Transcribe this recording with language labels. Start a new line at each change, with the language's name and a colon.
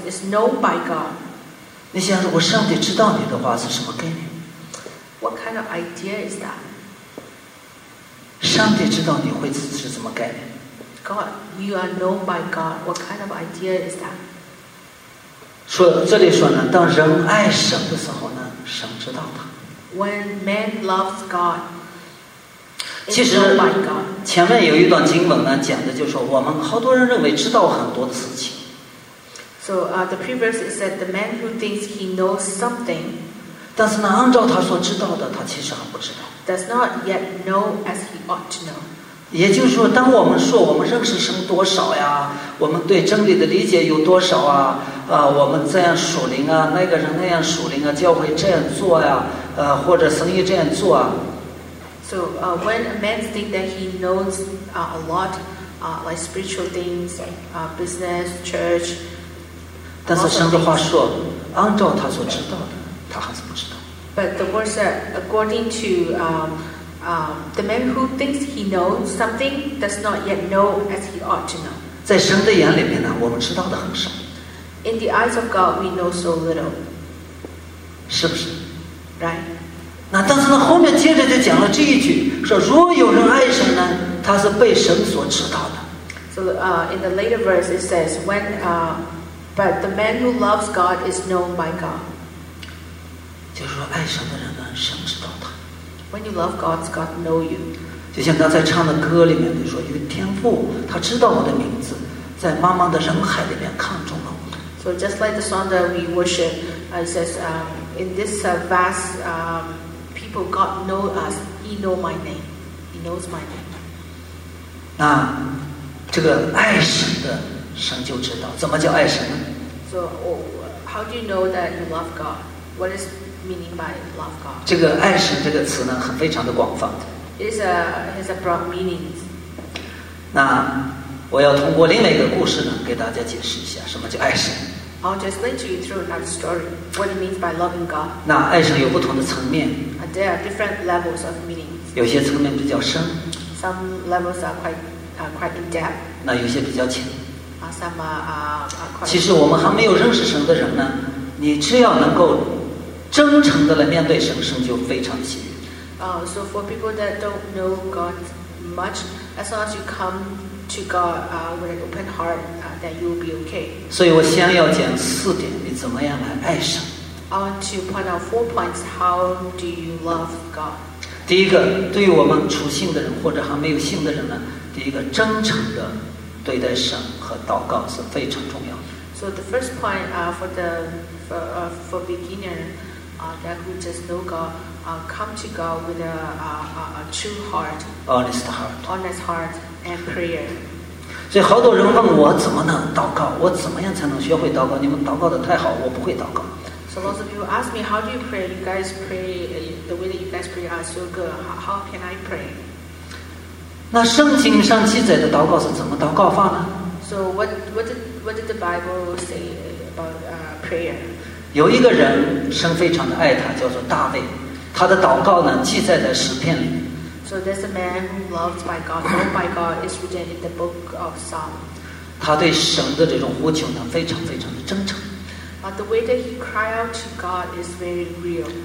English: It's known by God.
Chinese: 你想如果上帝知道你的话是什么概念？
English: What kind of idea is that?
Chinese: 上帝知道你会是什么概念？
English: God, you are known by God. What kind of idea is that?
Chinese: 说这里说呢，当人爱神的时候呢，神知道他。
English: When man loves God.
Chinese: 其实前面有一段经文呢，讲的就是说，我们好多人认为知道很多的事情。
English: So, the previous is that the man who thinks he knows something.
Chinese: 但是呢，按照他所知道的，他其实还不知道。
English: Does not yet know as he ought to know.
Chinese: 也就是说，当我们说我们认识神多少呀，我们对真理的理解有多少啊，我们这样属灵啊，那个人那样属灵啊，教会这样做呀，或者生意这样做啊。
English: So when a man thinks that he knows a lot, like spiritual things, business, church,
Chinese: 但是神的话说，按照他所知道的，他还是不知道。
English: But the word said, according to the man who thinks he knows something, does not yet know as he ought to know.
Chinese: 在神的眼里面呢，我们知道的很少。
English: In the eyes of God, we know so little.
Chinese: 是不是
English: ？Right.
Chinese: 那但是呢，后面接着就讲了这一句，说如果有人爱神呢，他是被神所知道的。
English: So, in the later verse it says, when, but the man who loves God is known by God.
Chinese: 就是说，爱神的人呢，神知道他。
English: When you love God, God know you.
Chinese: 就像刚才唱的歌里面，你说有天父，他知道我的名字，在茫茫的人海里面看中了我。
English: So just like the song that we worship, it says, in this vast, people, God know us. He know my name. He knows my name.
Chinese: 那这个爱神的神就知道怎么叫爱神呢
English: ？So, how do you know that you love God? What is meaning by love God?
Chinese: 这个爱神这个词呢，很非常的广泛。
English: It's a broad meaning.
Chinese: 那我要通过另外一个故事呢，给大家解释一下什么叫爱神。
English: I'll just lead you through another story. What it means by loving God.
Chinese: 那爱神有不同的层面。
English: There are different levels of meaning.
Chinese: 有些层面比较深。
English: Some levels are quite in depth.
Chinese: 那有些比较浅。
English: Some are quite.
Chinese: 其实我们还没有认识神的人呢，你只要能够真诚的来面对神，神就非常的喜悦。
English: So for people that don't know God much, as long as you come to God with an open heart, then you will be okay.
Chinese: 所以我先要讲四点，你怎么样来爱神。
English: To point out 4 points, how do you love God?
Chinese: 第一个，对于我们初信的人或者还没有信的人呢，第一个真诚的对待神和祷告是非常重要的。
English: So the first point for beginner, that we just know God, come to God with a true heart, honest heart, honest heart and prayer.
Chinese: 所以好多人问我怎么能祷告，我怎么样才能学会祷告？你们祷告的太好，我不会祷告。
English: So lots of people ask me, how do you pray? You guys pray the way that you guys pray are so good. How can I pray?
Chinese: 那圣经上记载的祷告是怎么祷告法呢？
English: So what did the Bible say about prayer?
Chinese: 有一个人神非常的爱他，叫做大卫，他的祷告呢记载在诗篇里。
English: So there's a man who loved by God, known by God, is written in the book of Psalm.
Chinese: 他对神的这种呼求呢非常非常的真诚。
English: But the way that he cried out to God is very real.